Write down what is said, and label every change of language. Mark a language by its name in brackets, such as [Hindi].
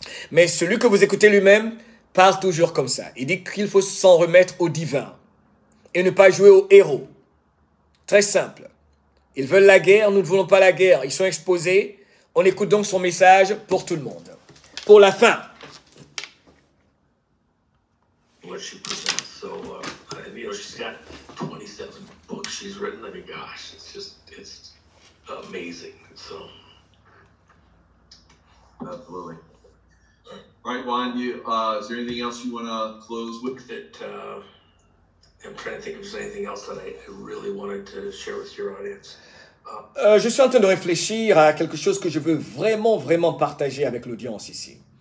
[French] Mais celui que vous écoutez lui-même, parle toujours comme ça. Il dit qu'il faut s'en remettre au divin et ne pas jouer au héros. Très simple. Ils veulent la guerre, nous ne voulons pas la guerre. Ils sont exposés. On écoute donc son message pour tout le monde. Pour la fin. [English] What she presents, so, she's got 27 books she's written. I mean, gosh, it's just, it's amazing. So, absolutely. All right, Juan, is there anything else you want to close with? I'm trying to think if there's anything else that I really wanted to share with your audience. [French] Je suis en train de réfléchir à quelque chose que je veux vraiment, vraiment partager avec l'audience ici.